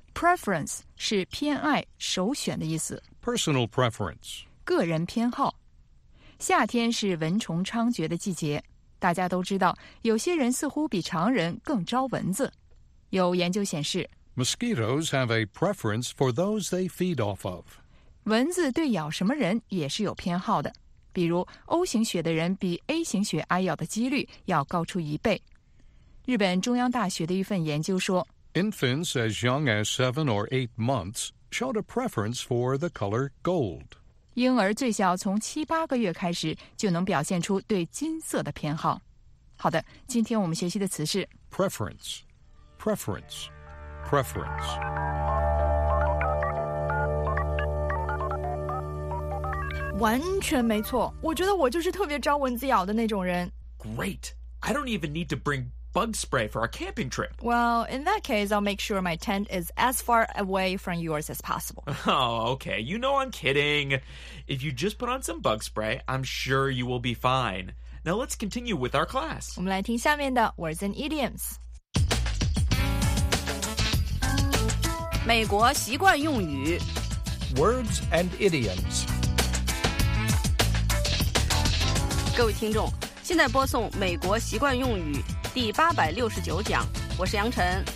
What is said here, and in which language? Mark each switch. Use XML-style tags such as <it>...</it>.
<zh>Preference 是偏爱、首选的意思。</zh> <en>Personal preference.</en> <zh>个人偏好。夏天是蚊虫猖獗的季节。大家都知道，有些人似乎比常人更招蚊子。有研究显示</zh> <en>Mosquitoes have a preference for those they feed off of.</en> <zh>蚊子对咬什么人也是有偏好的。比如 O 型血的人比 A 型血挨咬的几率要高出一倍。日本中央大学的一份研究说</zh> <en>Infants as young as 7 or 8 months showed a preference for the color gold.</en> <zh>婴儿最小从7-8个月开始就能表现出对金色的偏好。好的，今天我们学习的词是</zh> <en>Preference, preference, preference.</en> <zh>完全没错，我觉得我就是特别招蚊子咬的那种人。</zh> <en>Great! I don't even need to bring bug spray for our camping trip. Well, in that case, I'll make sure my tent is as far away from yours as possible. Oh, okay, you know I'm kidding. If you just put on some bug spray, I'm sure you will be fine. Now let's continue with our class.</en> <zh>我们来听下面的 Words and Idioms. 美国习惯用语</zh> <en>Words and Idioms.</en> <zh>各位听众，现在播送美国习惯用语第869讲，我是杨晨。</zh>